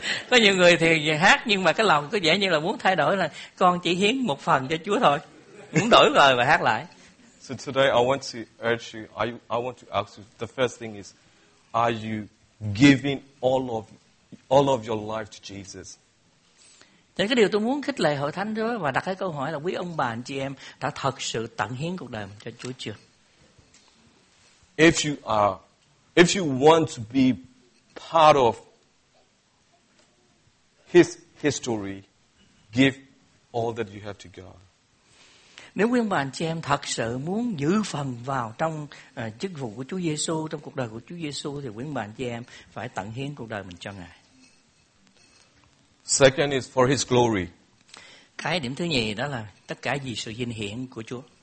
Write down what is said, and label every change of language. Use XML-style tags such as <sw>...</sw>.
<vi>Có nhiều người thì hát nhưng mà cái lòng có vẻ như là muốn thay đổi, là con chỉ hiến một phần cho Chúa thôi, muốn đổi lời và hát lại.</vi> <en>So today I want to urge you, I want to ask you, the first thing is, are you giving all of your life to Jesus?</en> <vi>Thế cái điều tôi muốn khích lệ hội thánh đó và đặt cái câu hỏi là quý ông bà anh chị em đã thật sự tận hiến cuộc đời cho Chúa chưa?</vi> <en>If you want to be part of his history, give all that you have to God.</en> <vi>Nếu quý ông bà anh chị em thật sự muốn giữ phần vào trong chức vụ của Chúa Giêsu, trong cuộc đời của Chúa Giêsu, thì quý ông bà anh chị em phải tận hiến cuộc đời mình cho Ngài.</vi> <en>Second is for his glory.</en> <vi>Cái điểm thứ nhì đó là tất cả vì sự vinh hiển của Chúa.</vi>